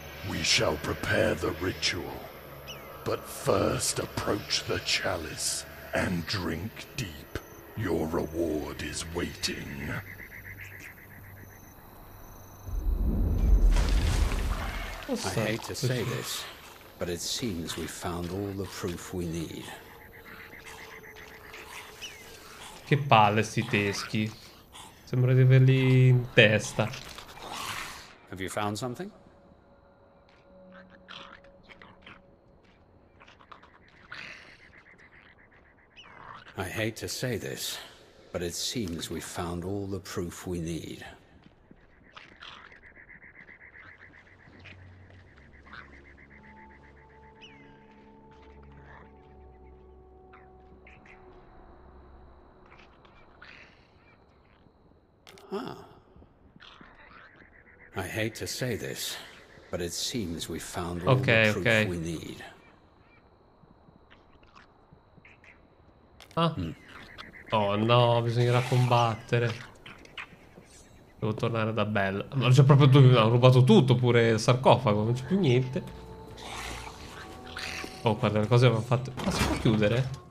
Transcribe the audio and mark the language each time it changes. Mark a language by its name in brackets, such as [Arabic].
[English] We shall prepare the ritual, but first approach the chalice and drink deep. Your reward is waiting. I hate to say this, but it seems we've found all the proof we need. [Italian] Che palle sti teschi. Sembra di averli in testa. [English] Have you found something? I hate to say this, but it seems we've found all the proof we need. Ah. I hate to say this, but it seems we've found all the proof we need. Ah. [Italian] Oh no, bisognerà combattere. Devo tornare da Bella. Ma c'è proprio tu, ho rubato tutto, pure il sarcofago, non c'è più niente. Oh, guarda le cose che abbiamo fatto. Ma si può chiudere?